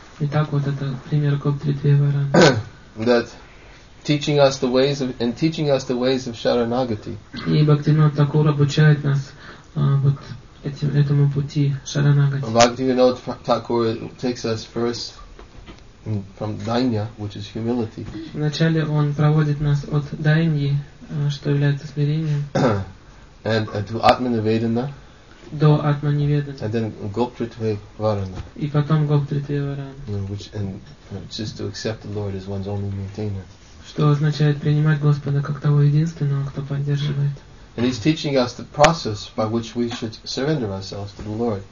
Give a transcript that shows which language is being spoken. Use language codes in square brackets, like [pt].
[ru] Итак, вот это пример Гопи Двиварана. [en] That teaching us the ways of and teaching us the ways of Sharanagati. [ru] И Бхактинода Такура обучает нас вот этому пути Шаранагати. [en] Бхактивинода Такур takes us first from Дайня, which is humility. [ru] Вначале он проводит нас от Дайньи, что является смирением. [en] And to Атманаведана. [ru] До Атманиведана. [en] And then Гоптритвейварана. [ru] И потом Гоптритвейварана. [en] Which is to accept the Lord as one's only maintainer. [ru] Что означает принимать Господа как того единственного, кто поддерживает. [en] And he's teaching us the process by which we should surrender ourselves to the Lord.